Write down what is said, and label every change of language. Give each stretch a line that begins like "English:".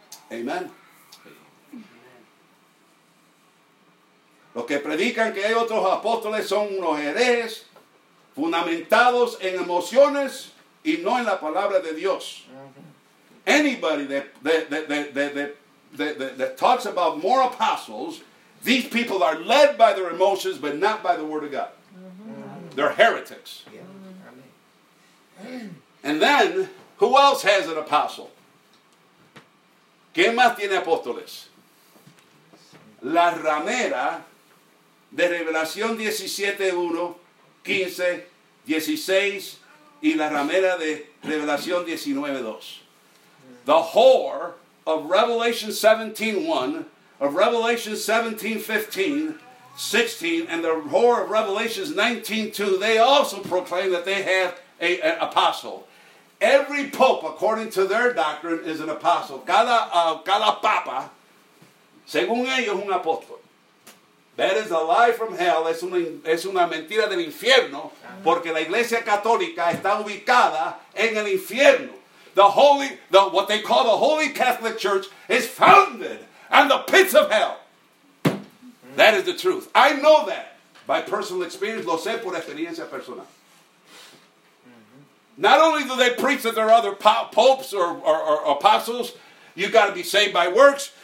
Spanish: Amén. Los que predican que hay otros apóstoles son unos herejes fundamentados en emociones y no en la palabra de Dios.
English: Anybody that talks about more apostles, these people are led by their emotions, but not by the Word of God. Mm-hmm. They're heretics. Yeah. And then, who else has an apostle?
Spanish: ¿Quién más tiene apóstoles? La ramera de Revelación 17:1, 15, 16, y la ramera de Revelación 19:2.
English: The whore of Revelation 17:1. Of Revelation 17, 15, 16, and the whore of Revelation 19, 2, they also proclaim that they have an apostle. Every pope, according to their doctrine, is an apostle.
Spanish: Cada papa, según ellos, un apóstol.
English: That is a lie from hell.
Spanish: Es una mentira del infierno, porque la iglesia católica está ubicada en el infierno.
English: What they call the Holy Catholic Church is founded and the pits of hell. That is the truth. I know that by personal experience.
Spanish: Lo sé por experiencia personal.
English: Not only do they preach that there are other popes or apostles, you got to be saved by works.